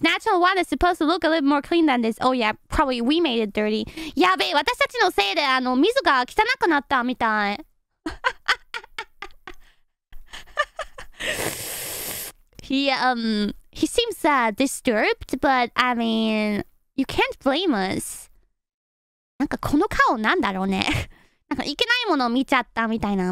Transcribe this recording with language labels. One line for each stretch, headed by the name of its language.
English: Natural water is supposed to look a little more clean than this. Oh yeah, probably we made it dirty.
Japanese: やべえ、私たちのせいで水が汚くなったみたい。
English: he seems disturbed, but I mean, you can't blame us.
Japanese: なんかこの顔なんだろうね。なんかいけないものを見ちゃったみたいな。